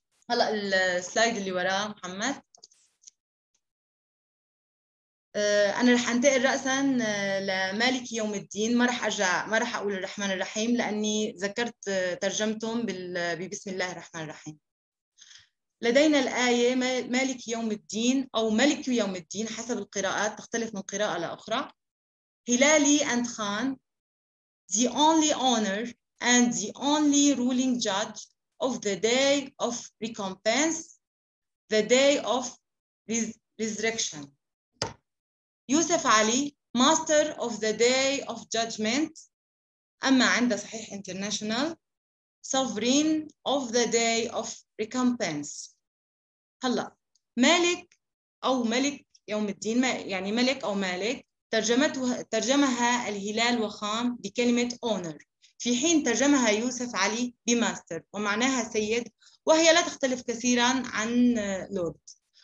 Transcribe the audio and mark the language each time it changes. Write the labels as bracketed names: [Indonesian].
[Arabic] هلأ السلايد اللي وراء محمد، أنا رح أنتقل رأساً لمالك يوم الدين، ما رح أقول الرحمن الرحيم لأني ذكرت ترجمتهم ببسم الله الرحمن الرحيم. لدينا الآية مالك يوم الدين أو ملك يوم الدين حسب القراءات تختلف من قراءة لأخرى. [English] هلالي and Khan the only owner and the only ruling judge of the day of recompense the day of resurrection. يوسف علي master of the day of judgment. [Arabic] أما عند [English] صحيح international sovereign of the day of recompense. [Arabic] هلأ مالك أو ملك يوم الدين، يعني ملك أو مالك ترجمها الهلال وخام بكلمة owner، في حين ترجمها يوسف علي بماستر ومعناها سيد، وهي لا تختلف كثيرا عن lord.